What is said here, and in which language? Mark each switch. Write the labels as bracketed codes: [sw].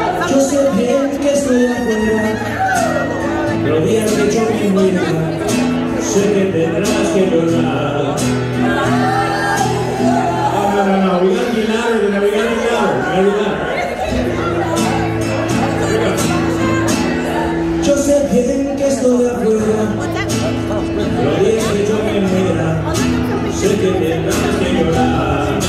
[es] Yo sé bien que estoy afuera, pero días que yo me muera, sé que tendrás que llorar. [en] No, we gotta be louder than that, we gotta be louder, very loud. [es] Yo sé bien que estoy afuera, pero días que yo me muera, sé que tendrás que llorar.